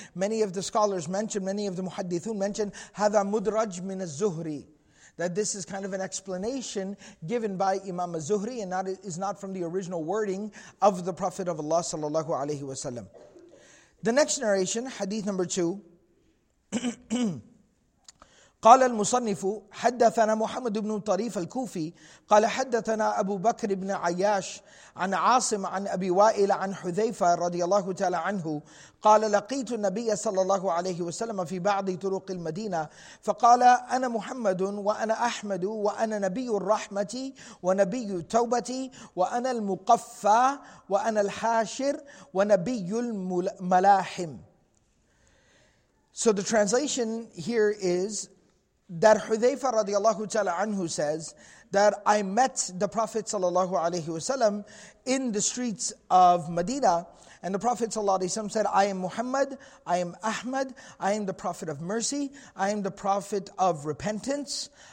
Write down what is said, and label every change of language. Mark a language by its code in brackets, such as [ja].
[en] Many of the scholars mentioned, many of the muhaddithun mentioned, [ar] hadha mudraj min az-zuhri. [en] That this is kind of an explanation given by Imam Az-Zuhri and is not from the original wording of the Prophet of Allah sallallahu alaihi wasallam. The next narration, hadith number 2. [ar] قال المصنف حدثنا محمد بن طريف الكوفي قال حدثنا أبو بكر بن عياش عن عاصم عن أبي وائل عن حذيفة رضي الله تعالى عنه قال لقيت النبي صلى الله عليه وسلم في بعض طرق المدينة فقال أنا محمد وأنا أحمد وأنا نبي الرحمة ونبي التوبة وأنا المقفى وأنا الحاشر ونبي الملاحم. [en] So the translation here is that حذيفة رضي الله تعالى عنه says that I met the Prophet sallallahu alaihi wasallam in the streets of Medina, and the Prophet ﷺ said, I am Muhammad, I am Ahmad, I am the Prophet of mercy, I am the Prophet of repentance,